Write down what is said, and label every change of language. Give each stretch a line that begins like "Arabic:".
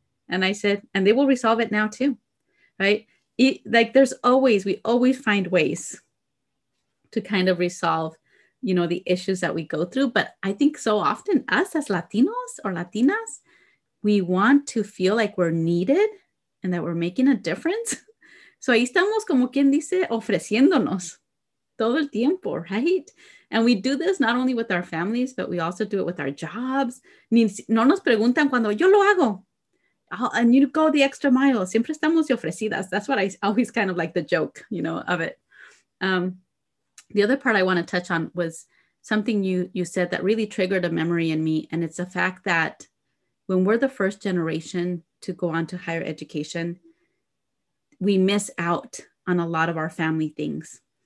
English: And I said, and they will resolve it now too, right? We always find ways to kind of resolve you know, the issues that we go through. But I think so often us as Latinos or Latinas, we want to feel like we're needed and that we're making a difference.
Spanish: So ahí estamos como quien dice ofreciéndonos todo el tiempo,
English: right? And we do this not only with our families, but we also do it with our jobs.
Spanish: No nos preguntan cuando yo lo hago.
English: And you go the extra mile.
Spanish: Siempre estamos ofrecidas.
English: That's what I always kind of like the joke, you know, of it. The other part I want to touch on was something you said that really triggered a memory in me. And it's the fact that when we're the first generation to go on to higher education, we miss out on a lot of our family things.